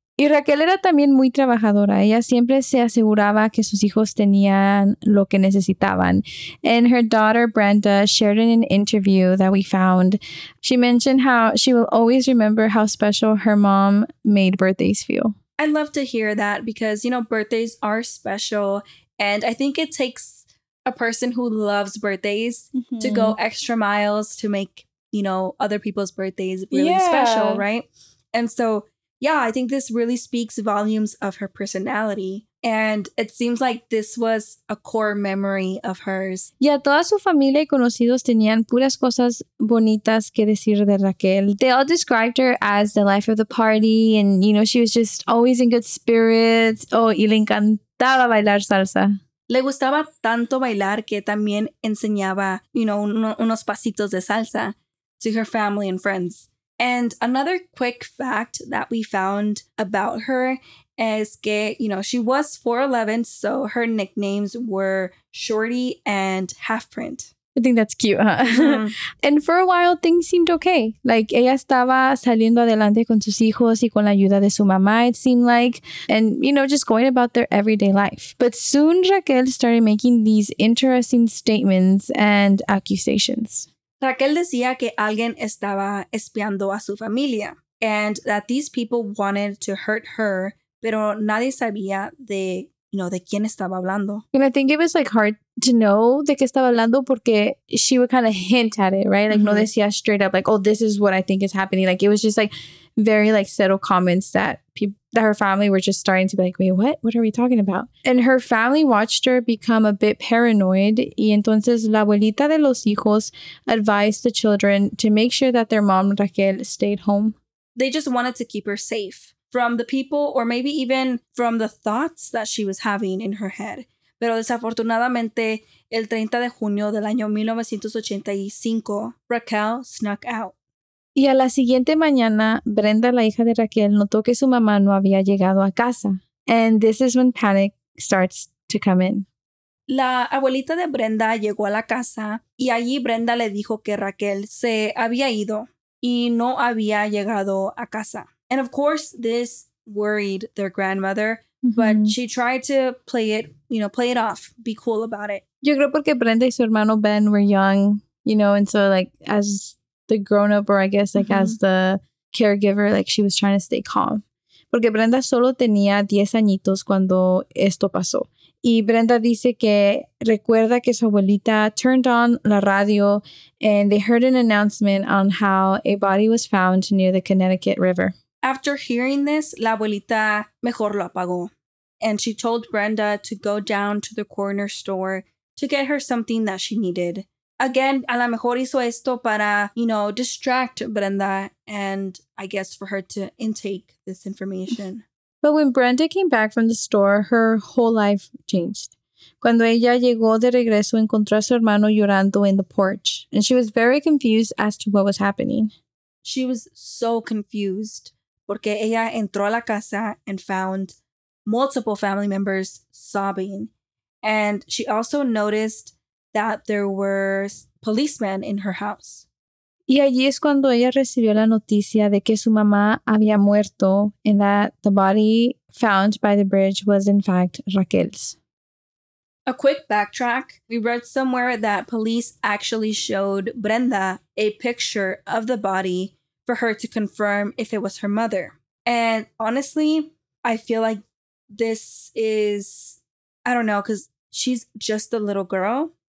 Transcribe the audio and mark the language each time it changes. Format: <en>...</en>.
<es>Y Raquel era también muy trabajadora. Ella siempre se aseguraba que sus hijos tenían lo que necesitaban.</es> <en>And her daughter, Brenda, shared in an interview that we found. She mentioned how she will always remember how special her mom made birthdays feel. I love to hear that because, you know, birthdays are special. And I think it takes a person who loves birthdays to go extra miles to make, you know, other people's birthdays really special, right? And so... yeah, I think this really speaks volumes of her personality. And it seems like this was a core memory of hers.</en> <es>Yeah, toda su familia y conocidos tenían puras cosas bonitas que decir de Raquel.</es> <en>They all described her as the life of the party. And, you know, she was just always in good spirits.</en> <es>Oh, y le encantaba bailar salsa. Le gustaba tanto bailar que también enseñaba,</es> <en>you know,</en> <es>unos pasitos de salsa</es> <en>to her family and friends. And another quick fact that we found about her is</en> <es>que,</es> <en>you know, she was 4'11", so her nicknames were Shorty and Half Print. I think that's cute, huh? Mm-hmm. And for a while, things seemed okay.</en> <es>Like, ella estaba saliendo adelante con sus hijos y con la ayuda de su mamá,</es> <en>it seemed like. And, you know, just going about their everyday life. But soon, Raquel started making these interesting statements and accusations.</en> <es>Raquel decía que alguien estaba espiando a su familia.</es> <en>And that these people wanted to hurt her,</en> <es>pero nadie sabía de,</es> <en>you know,</en> <es>de quién estaba hablando.</es> <en>And I think it was like hard to know</en> <es>de qué estaba hablando porque</es> <en>she would kind of hint at it, right? Like, mm-hmm.</en> <es>No decía</es> <en>straight up, like, oh, this is what I think is happening. Like, it was just like very like subtle comments that that her family were just starting to be like, wait, what? What are we talking about? And her family watched her become a bit paranoid.</en> <es>Y entonces la abuelita de los hijos</es> <en>advised the children to make sure that their mom, Raquel, stayed home. They just wanted to keep her safe from the people or maybe even from the thoughts that she was having in her head.</en> <es>Pero desafortunadamente, el 30 de junio del año 1985, Raquel</es> <en>snuck out.</en> <es>Y a la siguiente mañana, Brenda, la hija de Raquel, notó que su mamá no había llegado a casa.</es> <en>And this is when panic starts to come in.</en> <es>La abuelita de Brenda llegó a la casa y allí Brenda le dijo que Raquel se había ido y no había llegado a casa.</es> <en>And of course, this worried their grandmother, mm-hmm. But she tried to play it off, be cool about it.</en> <es>Yo creo porque Brenda y su hermano Ben</es> <en>were young, you know, and so like as the grown up or I guess like mm-hmm. as the caregiver, like she was trying to stay calm.</en> <es>Porque Brenda solo tenía 10 añitos cuando esto pasó. Y Brenda dice que recuerda que su abuelita</es> <en>turned on</en> <es>la radio</es> <en>and they heard an announcement on how a body was found near the Connecticut River. After hearing this,</en> <es>la abuelita mejor lo apagó.</es> <en>And she told Brenda to go down to the corner store to get her something that she needed. Again,</en> <es>a la mejor hizo esto para,</es> <en>you know, distract Brenda and I guess for her to intake this information. But when Brenda came back from the store, her whole life changed.</en> <es>Cuando ella llegó de regreso, encontró a su hermano llorando</es> <en>in the porch. And she was very confused as to what was happening. She was so confused.</en> <es>Porque ella entró a la casa</es> <en>and found multiple family members sobbing. And she also noticed that there were policemen in her house.</en> <es>Y allí es cuando ella recibió la noticia de que su mamá había muerto</es> <en>and that the body found by the bridge was in fact Raquel's. A quick backtrack. We read somewhere that police actually showed Brenda a picture of the body for her to confirm if it was her mother. And honestly, I feel like this is, I don't know, because she's just a little girl.</en>